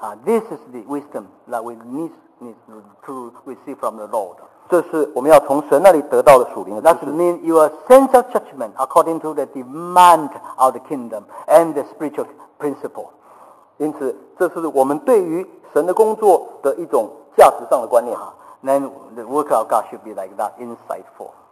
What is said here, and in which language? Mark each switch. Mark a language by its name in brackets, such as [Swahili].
[English] This is the wisdom that we need to receive from the Lord. [Chinese] 这是我们要从神那里得到的属灵的知识。 [English] That means your sense of judgment according to the demand of the kingdom and the spiritual principle. [Chinese] 因此，这是我们对于神的工作的一种价值上的观念。 [English] Then the worker of God should be like that, insightful.